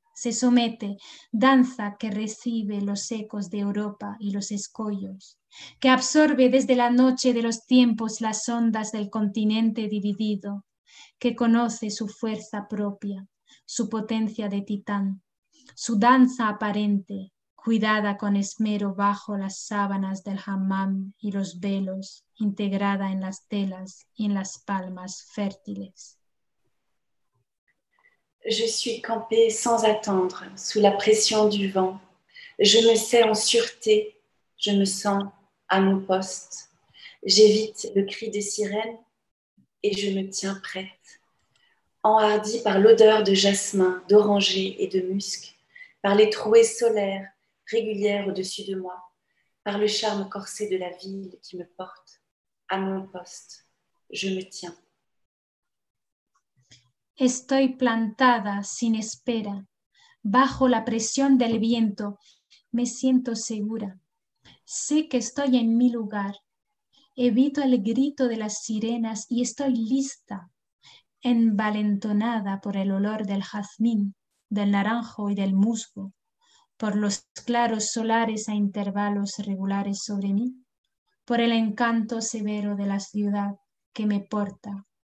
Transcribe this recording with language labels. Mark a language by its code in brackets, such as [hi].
[es] Se somete, danza que recibe los ecos de Europa y los escollos, que absorbe desde la noche de los tiempos las ondas del continente dividido, que conoce su fuerza propia, su potencia de titán, su danza aparente, cuidada con esmero bajo las sábanas del hammam y los velos, integrada en las telas y en las palmas fértiles. [fr] Je suis campée sans attendre, sous la pression du vent. Je me sais en sûreté, je me sens à mon poste. J'évite le cri des sirènes et je me tiens prête. Enhardie par l'odeur de jasmin, d'oranger et de musc, par les trouées solaires, régulière au-dessus de moi, par le charme corsé de la ville qui me porte à mon poste, je me tiens. [es] Estoy plantada sin espera, bajo la presión del viento, me siento segura. Sé que estoy en mi lugar, evito el grito de las sirenas y estoy lista, envalentonada por el olor del jazmín, del naranjo y del musgo, por los claros solares a intervalos regulares sobre mí, por el encanto severo de la ciudad que me porta.